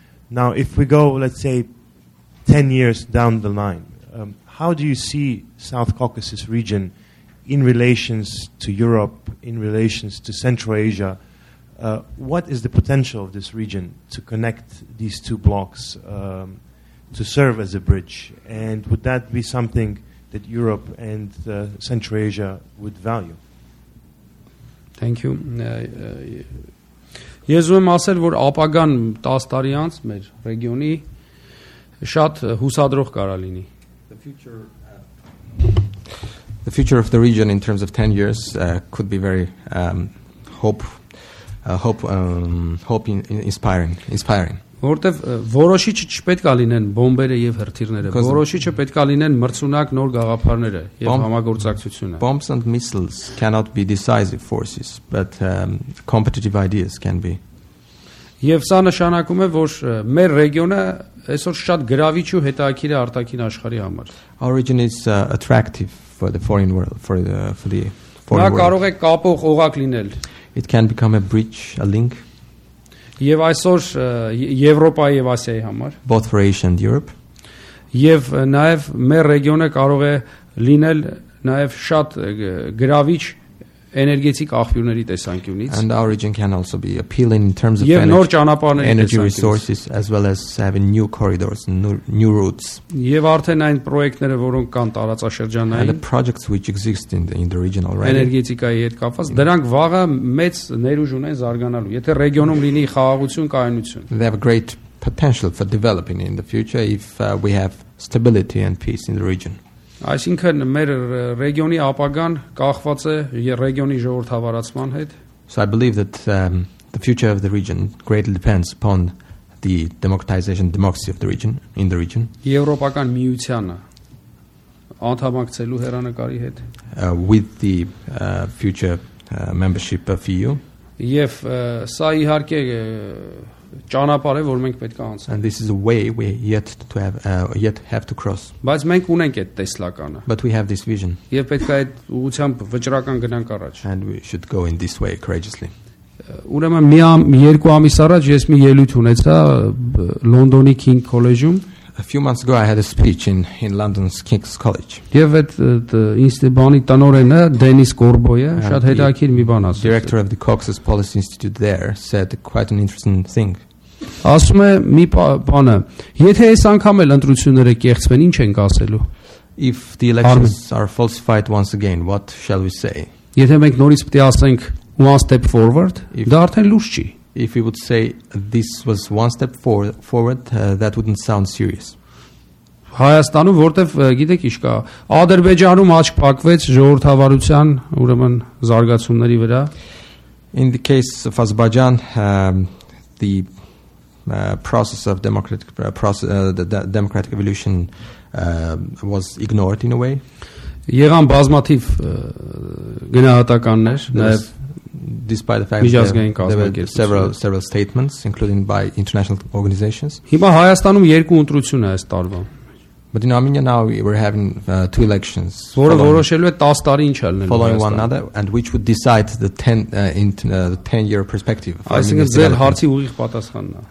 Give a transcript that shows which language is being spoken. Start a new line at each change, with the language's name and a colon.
English: Now if we go, let's say, 10 years down the line, how do you see South Caucasus region in relations to Europe, in relations to Central Asia? What is the potential of this region to connect these two blocks to serve as a bridge? And would that be something that Europe and Central Asia would value? Thank you.
Armenian: Ես ուզում եմ ասել, որ ապագան 10 տարի անց մեր ռեգիոնի շատ հուսադրող կարա լինի.
English: The future of the region in terms of 10 years could be very inspiring.
Armenian: Որտեվ որոշիչը չպետք է լինեն բոմբերը եւ հրթիռները, որոշիչը պետք է լինեն մրցունակ նոր գաղափարները եւ համագործակցությունը.
English: Bombs and missiles cannot be decisive forces, but competitive ideas can be.
Armenian: Եվ սա նշանակում է, որ մեր ռեգիոնը այսօր շատ գրավիչ ու հետաքրքիր է արտաքին աշխարհի համար.
English: Our region is attractive for the foreign world,
Armenian: Նա կարող է կապող օղակ լինել.
English: It can become a bridge, a link.
Armenian: Եվ այսօր Եվրոպայի եւ Ասիայի համար.
English: Both for Asia and Europe.
Armenian: Եվ նաեւ մեր ռեգիոնը կարող է լինել նաեւ շատ գրավիչ էներգետիկ աղբյուրների տեսանկյունից.
English: And our region can also be appealing in terms of energy resources as well as having new corridors and new routes.
Armenian: Եվ արդեն այն պրոյեկտները, որոնք կան տարածաշրջանային,
English: the projects which exist in the region already.
Armenian: Էներգետիկայի հետ կապված, դրանք վաղը մեծ ներուժ ունեն զարգանալու, եթե ռեգիոնում լինի խաղաղություն, կայունություն.
English: They have a great potential for developing in the future if we have stability and peace in the region.
Armenian: Այսինքն մեր ռեգիոնի ապագան կախված է ռեգիոնի ժողովրդավարացման հետ։
English: So I believe that the future of the region greatly depends upon the democratization, democracy of the region, in the region.
Armenian: Եվրոպական միությանը անդամակցելու հերանակարի հետ։
English: With the future membership of EU.
Armenian: Եվ սա իհարկե ճանապարհ է, որ մենք պետք է անցնենք.
English: And this is a way we yet have to cross.
Armenian: Բայց մենք ունենք այդ տեսլականը.
English: But we have this vision.
Armenian: Եվ պետք է այդ ուղությամբ վճռական գնանք առաջ.
English: And we should go in this way courageously.
Armenian: Ուրեմն մի երկու ամիս առաջ ես մի ելույթ ունեցա Լոնդոնի King College-ում.
English: A few months ago I had a speech in London's King's College.
Armenian: Եվ այդ ինստիտուտի տնօրենը Դենիս Կորբոյը շատ հետաքրքիր մի բան ասաց.
English: Director of the Caucasus Policy Institute there said quite an interesting thing.
Armenian: Ասում է մի բանը. Եթե այս անգամ էլ ընտրությունները կեղծվեն, ինչ ենք ասելու?
English: If the elections are falsified once again, what shall we say?
Armenian: Եթե մենք նորից պետք է ասենք
English: one step forward,
Armenian: դա արդեն լուրջ չի.
English: If we would say this was one step forward, that wouldn't sound serious.
Armenian: Հայաստանում որտեվ գիտեք ինչ կա, Ադրբեջանում աչք փակվեց ժողովրդավարության, ուրեմն զարգացումների վրա.
English: In the case of Azerbaijan, the process of democratic democratic evolution was ignored in a way.
Armenian: Եղան բազմաթիվ գնահատականներ, նաև
English: despite the fact that there were several statements including by international organizations.
Armenian: Հիմա Հայաստանում երկու ընտրություն է այս տարվա.
English: But in Armenia now we were having two elections.
Armenian: Որը որոշելու է 10 տարի ինչ ալնելու։
English: Following one another and which would decide the 10 year perspective.
Armenian: Այսինքն ձեր հարցի ուղիղ պատասխանն է։